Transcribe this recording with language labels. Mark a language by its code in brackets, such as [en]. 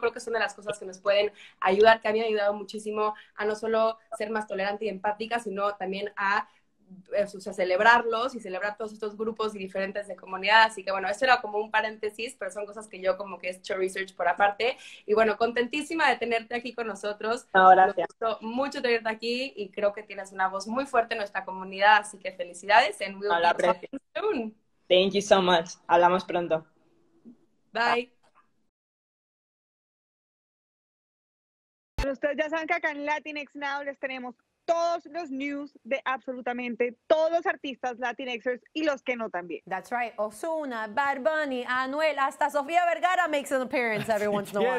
[es] Creo que son de las cosas que nos pueden ayudar, que a mí me ha ayudado muchísimo a no solo ser más tolerante y empática, sino también a celebrarlos y celebrar todos estos grupos y diferentes de comunidad. Así que bueno, esto era como un paréntesis, pero son cosas que yo como que he hecho research por aparte. Y bueno, contentísima de tenerte aquí con nosotros. No, gracias. Me gustó mucho tenerte aquí y creo que tienes una voz muy fuerte en nuestra comunidad, así que felicidades. [en] And we'll be talking soon. Thank you so much. [es] Hablamos pronto. [en] Bye. [es] Bueno, ustedes ya saben que acá en Latinx Now les tenemos todos los news de absolutamente todos los artistas Latinxers y los que no también. [en] That's right. Ozuna, Bad Bunny, Anuel, hasta Sofía Vergara makes an appearance every once in a while.